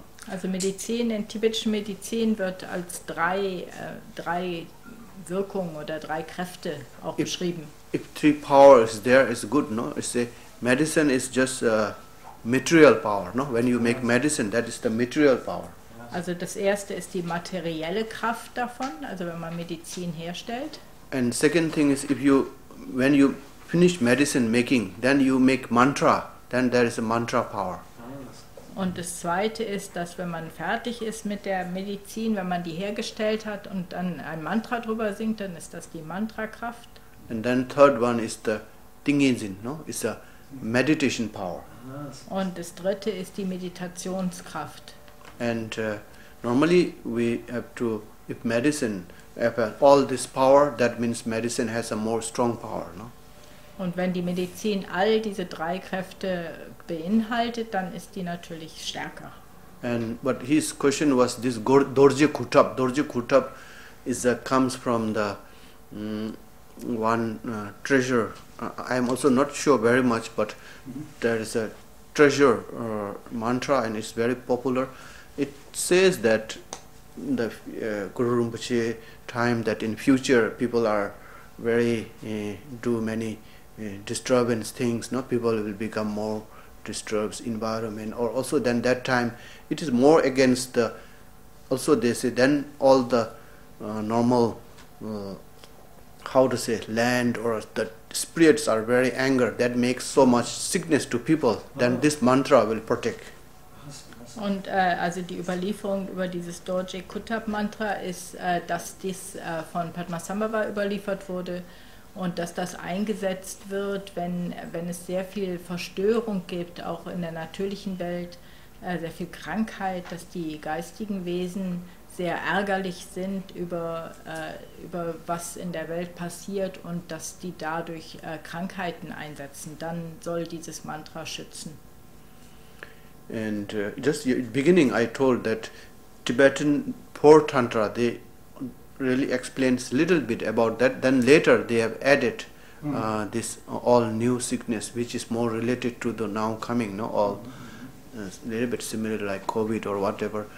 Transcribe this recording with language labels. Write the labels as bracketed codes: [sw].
[de] Also Medizin, in tibetischen Medizin wird als drei Wirkungen oder drei Kräfte auch beschrieben. [en] If three power is there, it's good, no? You say medicine is just material power, no? When you make medicine, that is the material power. [de] Also das erste ist die materielle Kraft davon, also wenn man Medizin herstellt. [en] And second thing is if you, when you finish medicine making, then you make mantra, then there is a mantra power. [de] Und das Zweite ist, dass wenn man fertig ist mit der Medizin, wenn man die hergestellt hat und dann ein Mantra drüber singt, dann ist das die Mantrakraft. [en] And then third one is the Dingensin, no? It's a meditation power. [de] Und das Dritte ist die Meditationskraft. [en] And normally we have to, if medicine have all this power, that means medicine has a more strong power, no? [de] Und wenn die Medizin all diese drei Kräfte beinhaltet, dann ist die natürlich stärker. [en] And but his question was this Dorje Khutab. Dorje Khutab is comes from the one treasure. I am also not sure very much, but there is a treasure mantra and it's very popular. It says that the Guru Rinpoche time, that in future people are very do many disturbance things, no? People will become more disturbed environment, or also then that time it is more against the, also they say then all the normal how to say, land or the spirits are very anger, that makes so much sickness to people, then this mantra will protect. [de] Und also die Überlieferung über dieses Dorje Kutab Mantra ist, dass dies von Padmasambhava überliefert wurde und dass das eingesetzt wird, wenn es sehr viel Verstörung gibt, auch in der natürlichen Welt, sehr viel Krankheit, dass die geistigen Wesen sehr ärgerlich sind über was in der Welt passiert und dass die dadurch Krankheiten einsetzen, dann soll dieses Mantra schützen. [en] And just in the beginning I told that Tibetan poor tantra, they really explains little bit about that, then later they have added this all new sickness which is more related to the now coming, no, all little bit similar like COVID or whatever.